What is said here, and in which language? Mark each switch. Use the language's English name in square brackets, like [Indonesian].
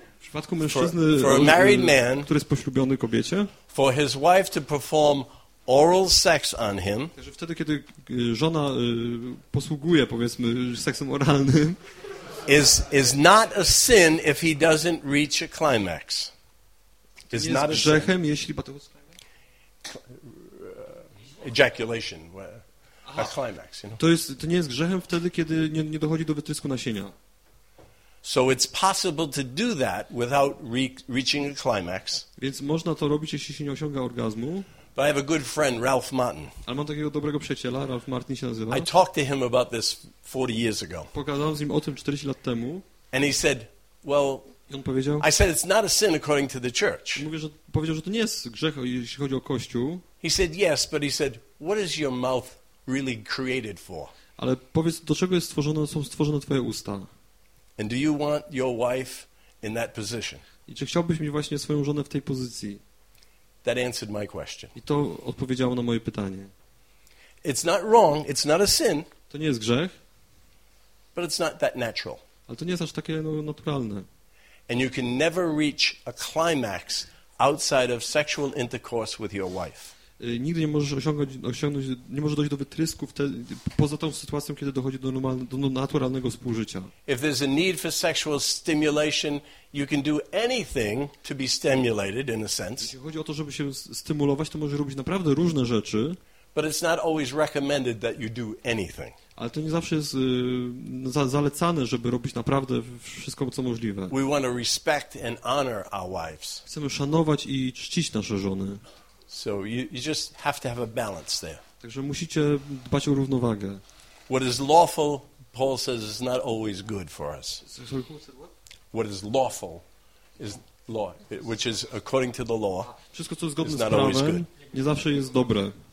[English] For a married man, [Polish] który jest poślubiony kobiecie, [English] for his wife to perform oral sex on him, [Polish] że wtedy, kiedy żona posługuje, powiedzmy, seksem oralnym, [English] is not a sin if he doesn't reach a climax. Is not a [Polish] grzechem, [English] sin. [Polish] Jeśli patrzy [English] ejaculation, a climax. You know? [Polish] To nie jest grzechem wtedy, kiedy nie dochodzi do wytrysku nasienia. [English] So it's possible to do that without reaching a climax. [Polish] Więc można to robić, jeśli się nie osiąga orgazmu. [English] But I have a good friend, Ralph Martin. [Polish] Ale mam takiego dobrego przyjaciela, Ralph Martin się nazywa. [English] I talked to him about this 40 years ago. [Polish] Pokazałem z nim o tym 40 lat temu. [English] And he said, well, [Polish] on powiedział, [English] I said it's not a sin according to the church. [Polish] Mówię, że powiedział, że to nie jest grzech, jeśli chodzi o kościół. [English] He said yes, but he said, what is your mouth really created for? [Polish] Ale powiedz, do czego jest stworzone, są stworzone twoje usta? [English] And do you want your wife in that position? [Polish] I czy chciałbyś mieć właśnie swoją żonę w tej pozycji? [English] That answered my question. [Polish] I to odpowiedziało na moje pytanie. [English] It's not wrong, it's not a sin. [Polish] To nie jest grzech. [English] But it's not that natural. [Polish] Ale to nie jest aż takie naturalne. [English] And you can never reach a climax outside of sexual intercourse with your wife. [Polish] Nigdy nie możesz osiągnąć, nie możesz dojść do wytrysku poza tą sytuacją, kiedy dochodzi do naturalnego współżycia. [English] If there's a need for sexual stimulation, you can do anything to be stimulated in a sense. [Polish] Jeśli chodzi o to, żeby się stymulować, to możesz robić naprawdę różne rzeczy. [English] But it's not always recommended that you do anything. [Polish] Ale to nie zawsze jest zalecane, żeby robić naprawdę wszystko, co możliwe. [English] We want to respect and honor our wives. [Polish] Chcemy szanować i czcić nasze żony. [English] So you just have to have a balance there. [Polish] Także musicie dbać o równowagę. [English] What is lawful, Paul says, is not always good for us. What is lawful is law, which is according to the law. [Polish] Wszystko, co jest zgodne z prawem, nie zawsze jest dobre.